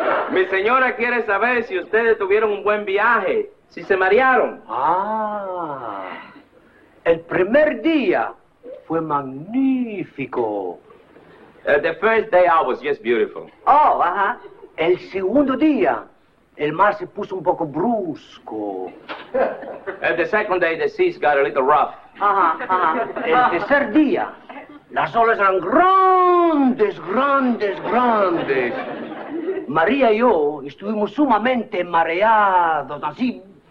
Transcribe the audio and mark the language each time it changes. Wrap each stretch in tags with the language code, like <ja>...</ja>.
<es>Mi señora quiere saber si ustedes tuvieron un buen viaje, si se marearon. Ah, el primer día fue magnífico.</es> <en>The first day I was just beautiful. Oh, ajá.</en> <es>El segundo día, el mar se puso un poco brusco.</es> <en>And the second day, the seas got a little rough. Ajá, ajá.</en> <es>El tercer día, las olas eran grandes, grandes, grandes. María y yo estuvimos sumamente mareados, así.</es>